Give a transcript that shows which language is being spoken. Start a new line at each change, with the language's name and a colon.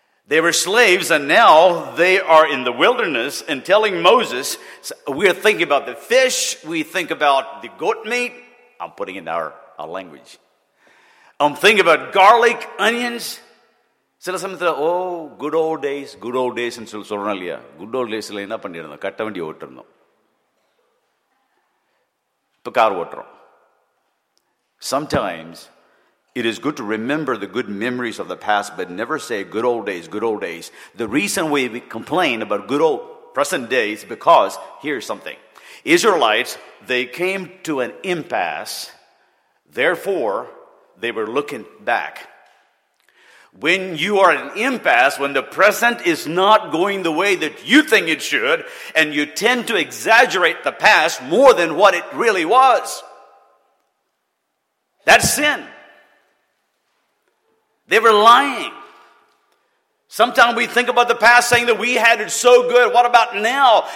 English: They were slaves, and now they are in the wilderness and telling Moses, we are thinking about the fish, we think about the goat meat. I'm putting it in our language. I'm thinking about garlic, onions.
Tamil: சில சமயத்தில்
English: oh good old days,
Tamil: good volt டேஸ்ன்னு சொல்லி சொல்கிறோம் இல்லையா, good volt டேஸில் என்ன பண்ணியிருந்தோம், கட்ட வண்டி ஓட்டிருந்தோம், இப்போ கார் ஓட்டுறோம்.
English: Sometimes it is good to remember the good memories of the past, but never say good old days, good old days. The reason why we complain about good old present days because hear something. Israelites, they came to an impasse, therefore they were looking back. When you are in an impasse, when the present is not going the way that you think it should, and you tend to exaggerate the past more than what it really was, that's sin. They were lying. Sometimes we think about the past saying that we had it so good. What about now?